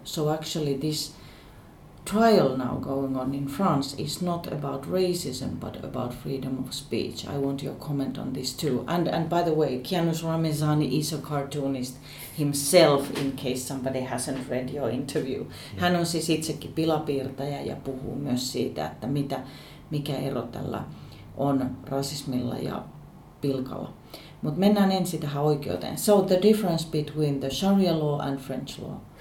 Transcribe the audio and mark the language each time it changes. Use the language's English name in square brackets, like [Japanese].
[English] So actually this trial now going on in France is not about racism, but about freedom of speech. I want your comment on this too. And by the way, Kianos Ramezani is a cartoonist himself, in case somebody hasn't read your interview. Mm. [Finnish] Hän on siis itsekin pilapiirtäjä ja puhuu myös siitä, että mitä, mikä ero tällä on rasismilla ja pilkalla. Mutta mennään ensin tähän oikeuteen. [English] So the difference between the Sharia law and French law.